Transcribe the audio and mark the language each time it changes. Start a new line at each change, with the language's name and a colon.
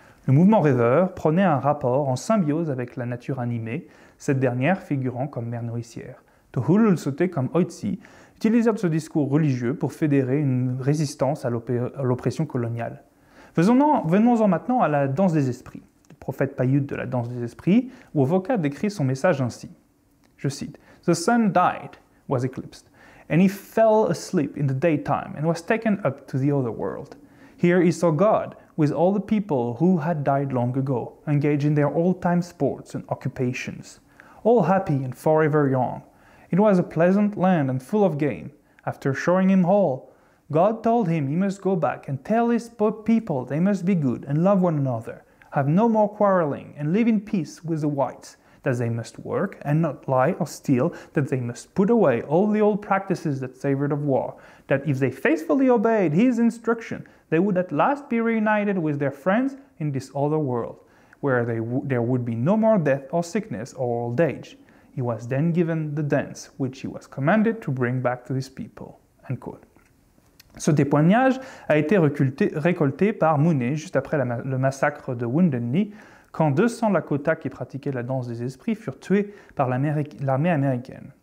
French: Le mouvement rêveur prenait un rapport en symbiose avec la nature animée, cette dernière figurant comme mère nourricière. Tohulul Sote comme Oitsi utilisèrent ce discours religieux pour fédérer une résistance à l'oppression coloniale. Venons-en maintenant à la danse des esprits. Le prophète Paiute de la danse des esprits, Wovoka, décrit son message ainsi. Je cite,
English: « The sun died, was eclipsed, and he fell asleep in the daytime and was taken up to the other world. Here he saw God, with all the people who had died long ago, engaged in their old-time sports and occupations, all happy and forever young. It was a pleasant land and full of game. After showing him all, God told him he must go back and tell his people they must be good and love one another, have no more quarreling, and live in peace with the whites, that they must work and not lie or steal, that they must put away all the old practices that savored of war, that if they faithfully obeyed his instruction, they would at last be reunited with their friends in this other world, where there would be no more death or sickness or old age. He was then given the dance, which he was commanded to bring back to his people.
French: » Ce témoignage a été récolté par Mooney juste après le massacre de Wounded Knee, quand 200 Lakota qui pratiquaient la danse des esprits furent tués par l'armée américaine.